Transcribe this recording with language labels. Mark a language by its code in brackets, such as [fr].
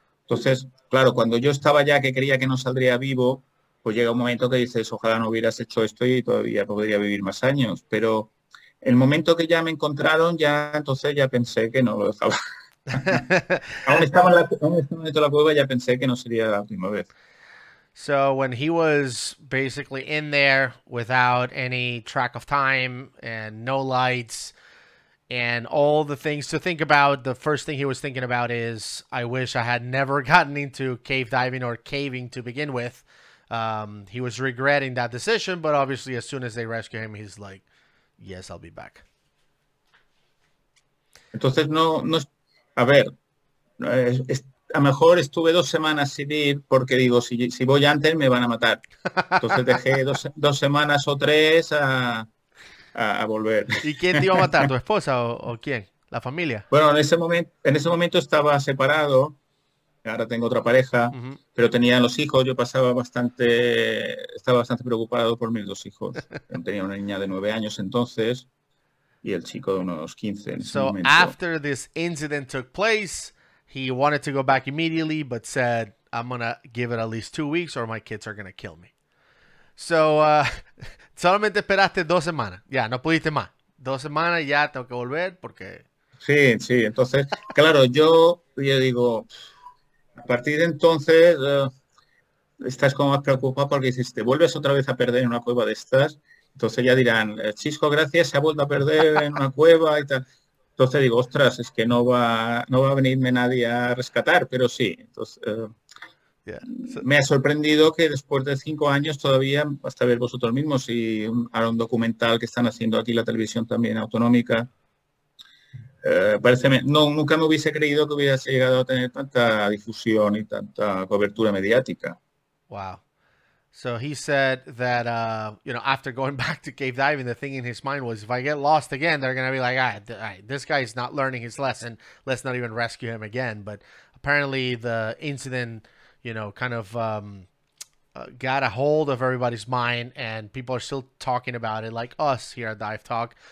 [es] Entonces, claro, cuando yo estaba ya que creía que no saldría vivo, pues llega un momento que dices, ojalá no hubieras hecho esto y todavía podría vivir más años. Pero el momento que ya me encontraron, ya entonces ya pensé que no lo dejaba. aún estaba dentro de la cueva, ya pensé que no sería la última vez. [en] So when he was basically in there without any track of time and no lights and all the things to think about, the first thing he was thinking about is, I wish I had never gotten into cave diving or caving to begin with. He was regretting that decision, but obviously as soon as they rescue him, he's like, yes, I'll be back. [es] Entonces, no, a ver, a lo mejor estuve 2 semanas sin ir porque digo, si voy antes me van a matar. Entonces dejé dos semanas o tres a volver. ¿Y quién te iba a matar? ¿Tu esposa o quién? ¿La familia? Bueno, en ese momento estaba separado. Ahora tengo otra pareja, uh-huh. Pero tenía los hijos. Yo pasaba bastante, estaba bastante preocupado por mis dos hijos. Tenía una niña de 9 años entonces y el chico de unos 15 en ese [en] so [es] momento. [en] So after this incident took place, he wanted to go back immediately, but said, I'm going to give it at least 2 weeks or my kids are going to kill me. [es] So solamente esperaste 2 semanas. Ya, no pudiste más. 2 semanas, ya tengo que volver porque... Sí, sí. Entonces, claro, yo digo... A partir de entonces, estás como más preocupado porque dices, te vuelves otra vez a perder en una cueva de estas. Entonces ya dirán, Xisco, gracias, se ha vuelto a perder en una cueva y tal. Entonces digo, ostras, es que no va a venirme nadie a rescatar, pero sí. Entonces, me ha sorprendido que después de 5 años todavía, hasta ver vosotros mismos y ahora un documental que están haciendo aquí la televisión también autonómica, parece, no, nunca me hubiese creído que hubiese llegado a tener tanta difusión y tanta cobertura mediática. [en] Wow. So he said that, you know, after going back to cave diving, the thing in his mind was, if I get lost again, they're going to be like, all right, this guy is not learning his lesson. Let's not even rescue him again. But apparently the incident, you know, kind of got a hold of everybody's mind and people are still talking about it, like us here at Dive Talk.